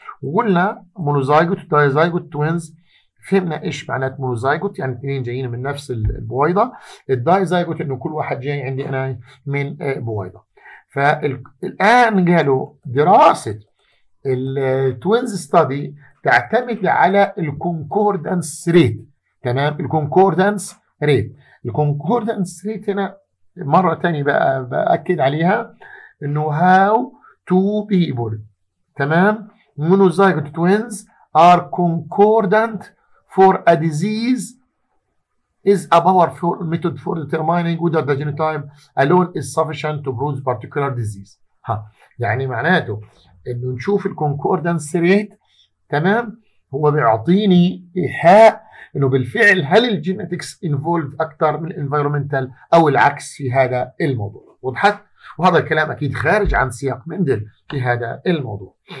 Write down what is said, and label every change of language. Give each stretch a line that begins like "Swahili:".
Arabic: وقلنا مونوزايجوت ودايزايجوت توينز، فهمنا إيش معنات مونوزايجوت، يعني اثنين جايين من نفس البويضة، الدايزايجوت إنه كل واحد جاي عندي أنا من بويضة. فالآن قالوا دراسة التوينز ستادي تعتمد على الكونكوردانس ريت، تمام، الكونكوردانس ريت. الكونكوردانس ريت هنا مرة تانية بقى بأكد عليها انه
English: how two people، تمام، monozygote twins are concordant for a disease is a powerful method for determining whether the genotype alone is sufficient to produce particular disease.
Arabic: ها يعني معناته انه نشوف الكونكوردانس ريت، تمام، هو بيعطيني ايحاء انه بالفعل هل الجينيتكس انفولد اكثر من الانفايرمنتال او العكس في هذا الموضوع. وضحت؟ وهذا الكلام اكيد خارج عن سياق مندل في هذا الموضوع.